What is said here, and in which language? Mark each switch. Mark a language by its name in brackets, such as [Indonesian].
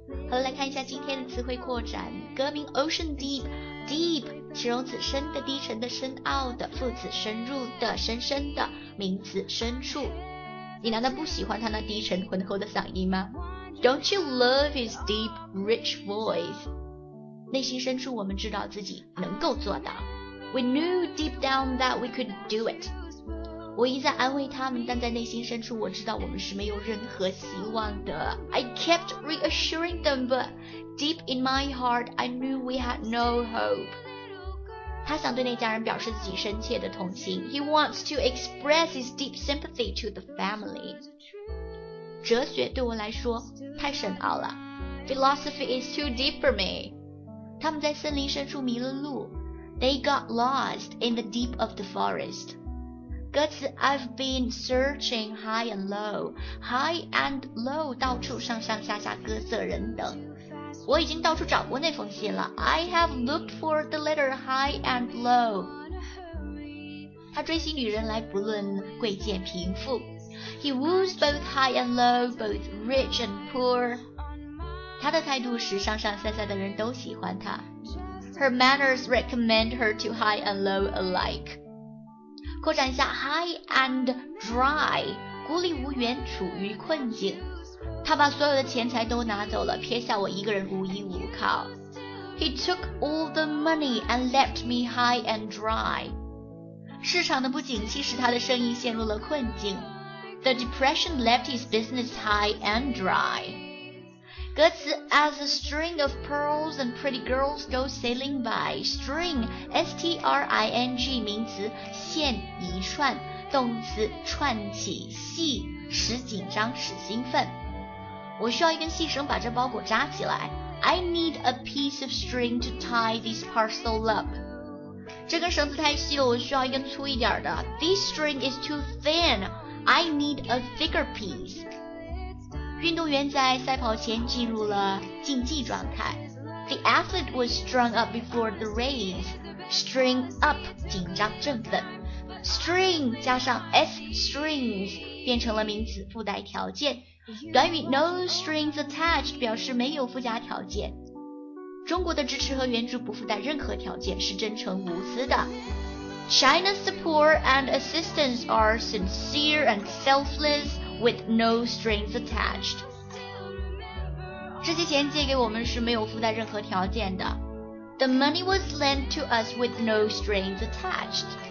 [Chinese] 好了，来看一下今天的词汇扩展。歌名 Ocean Deep， Deep 形容词深的、低沉的、深奥的，副词深入的、深深的，名词深处。你难道不喜欢他那低沉浑厚的嗓音吗？ [English] Don't you love his deep rich voice？ [Chinese] 内心深处我们知道自己能够做到。 [English] We knew deep down that we could do it。 [Chinese] 我一再安慰他们，但在内心深处我知道我们是没有任何希望的。 [English] I kept reassuring them but deep in my heart I knew we had no hope。 [Chinese] 他想对那家人表示自己深切的同情。 [English] He wants to express his deep sympathy to the family。 [Chinese] 哲学对我来说太深奥了。 [English] Philosophy is too deep for me。 [Chinese] 他们在森林深处迷了路。 [English] They got lost in the deep of the forest。歌词 I've been searching high and low， high and low [Chinese] 到处上上下下各色人等。我已经到处找过那封信了。 [English] I have looked for the letter high and low。 [Chinese] 他追寻女人来不论贵贱贫富。 [English] He woos both high and low， both rich and poor。 [Chinese] 她的态度使上上下下的人都喜欢她。 [English] Her manners recommend her to high and low alike。 [Chinese] 扩展一下 ，high and dry， 孤立无援，处于困境。他把所有的钱财都拿走了，撇下我一个人无依无靠。 [English] He took all the money and left me high and dry。 [Chinese] 市场的不景气使他的生意陷入了困境。 [English] The depression left his business high and dry。歌词 As a string of pearls and pretty girls go sailing by。 [Chinese] String S-T-R-I-N-G 名词线一串，动词串起系，使紧张使兴奋。我需要一根细绳把这包裹扎起来。 [English] I need a piece of string to tie this parcel up。 [Chinese] 这根绳子太细了，我需要一根粗一点的。 [English] This string is too thin, I need a thicker piece。 [Chinese] 运动员在赛跑前进入了竞技状态。 [English] The athlete was strung up before the race. [Chinese] String up, 紧张振奋。String 加上 s strings 变成了名词附带条件。短语 no strings attached 表示没有附加条件。中国的支持和援助不附带任何条件，是真诚无私的。 [English] China's support and assistance are sincere and selfless. With no strings attached， [Chinese] 这些钱借给我们是没有附带任何条件的。 [English] The money was lent to us with no strings attached。